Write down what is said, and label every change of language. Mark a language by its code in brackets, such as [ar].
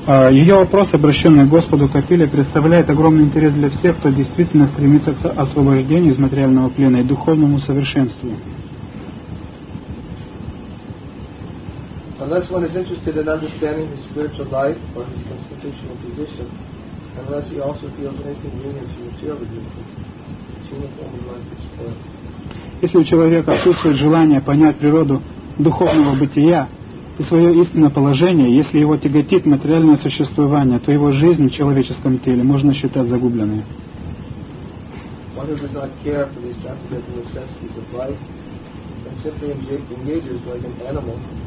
[ru] Ее вопрос, обращенный к Господу Капиле, представляет огромный интерес для всех, кто действительно стремится к освобождению из материального плена и духовному совершенству. [en] Unless one is interested in understanding his spiritual life or his constitutional position, unless he also feels an inconvenience in material existence, his uniformity might be spoiled. [ru] Если у человека отсутствует желание понять природу духовного бытия и свое истинное положение, если его тяготит материальное существование, то его жизнь в человеческом теле можно считать загубленной. [en] One who does not care for these transcendental necessities of life and simply engages like an animal.